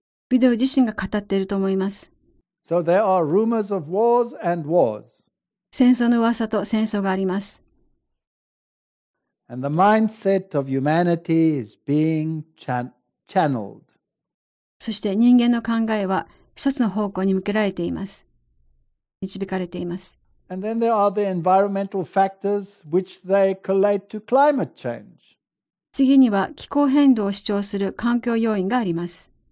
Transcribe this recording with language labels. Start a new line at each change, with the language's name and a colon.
Japanese: ビデオ自身が語っていると思います。
English: So there are rumors of wars and wars.
Japanese: 戦争の噂と戦争があります。
English: And the mindset of humanity is being channeled.
Japanese: そして人間の考えは一つの方向に向けられています。導かれています。
English: And then there are the environmental factors which they collate to climate change.
Japanese: 次には気候変動を主張する環境要因があります。